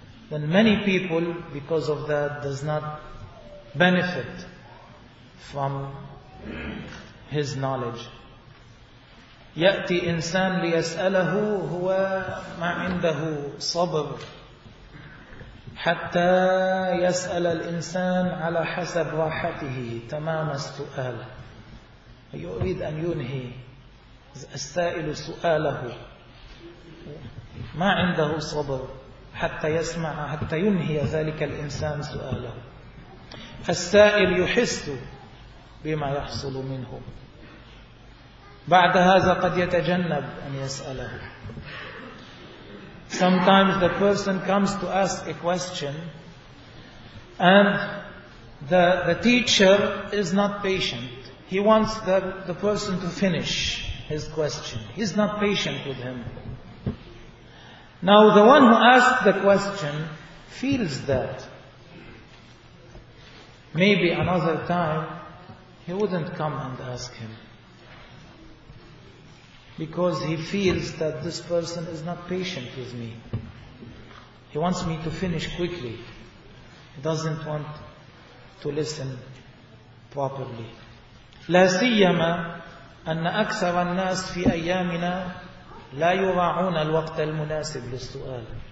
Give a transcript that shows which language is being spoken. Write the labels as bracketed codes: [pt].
[en] Then many people, because of that, does not benefit from his knowledge. [ar] يأتي إنسان ليسأله هو ما عنده صبر حتى يسأل الإنسان على حسب راحته تمام السؤال. يريد أن ينهي السائل سؤاله ما عنده صبر حتى يسمع حتى ينهي ذلك الإنسان سؤاله. السائل يحس بما يحصل منه، بعد هذا قد يتجنب أن يسأله. [en] Sometimes the person comes to ask a question and the teacher is not patient. He wants the person to finish his question. He's not patient with him. Now the one who asks the question feels that. Maybe another time he wouldn't come and ask him, because he feels that this person is not patient with me. He wants me to finish quickly. He doesn't want to listen properly. [ar] لا سيما أن أكثر الناس في أيامنا لا يراعون الوقت المناسب للسؤال.